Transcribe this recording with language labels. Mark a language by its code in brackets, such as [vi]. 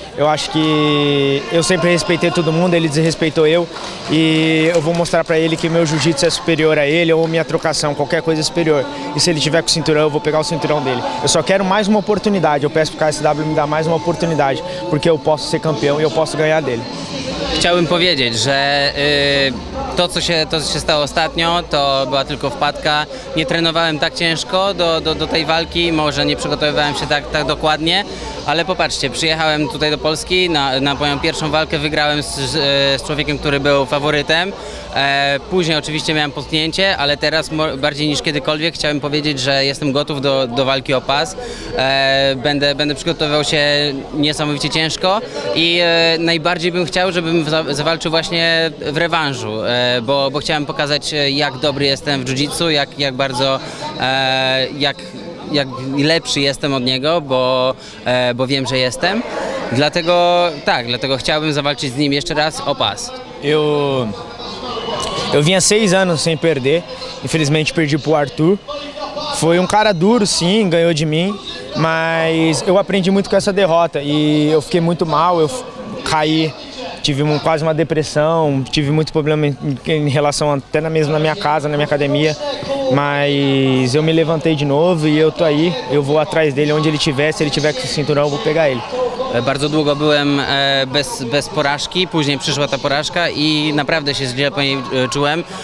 [pt] Eu acho que eu sempre respeitei todo mundo, ele desrespeitou eu. E eu vou mostrar pra ele que meu jiu-jitsu é superior a ele, ou minha trocação, qualquer coisa é superior. E se ele tiver com o cinturão, eu vou pegar o cinturão dele. Eu só quero mais uma oportunidade, eu peço pro KSW me dar mais uma oportunidade, porque eu posso ser campeão e eu posso ganhar dele. [pl] Chciałbym powiedzieć, że to, co się stało ostatnio, to była tylko wpadka. Nie trenowałem tak ciężko do tej walki, może nie przygotowywałem się tak dokładnie, ale popatrzcie, przyjechałem tutaj do Polski na moją pierwszą walkę, wygrałem z człowiekiem, który był faworytem. Później oczywiście miałem potknięcie, ale teraz bardziej niż kiedykolwiek chciałem powiedzieć, że jestem gotów do walki o pas. Będę przygotowywał się niesamowicie ciężko i najbardziej bym chciał, żebym zawalczył właśnie w rewanżu, bo chciałem pokazać, jak dobry jestem w jiu-jitsu, jak lepszy jestem od niego, bo wiem, że jestem. Dlatego chciałbym zawalczyć z nim jeszcze raz o pas. [pt] Eu vinha 6 anos sem perder, infelizmente perdi pro Arthur. Foi um cara duro, sim, ganhou de mim, mas eu aprendi muito com essa derrota e eu fiquei muito mal, eu caí, tive quase uma depressão, tive muito problema em relação até mesmo na minha casa, na minha academia, mas eu me levantei de novo e eu tô aí, eu vou atrás dele onde ele tiver, se ele tiver com o cinturão eu vou pegar ele. [pl] Bardzo długo byłem bez porażki, później przyszła ta porażka i naprawdę się źle po niej czułem.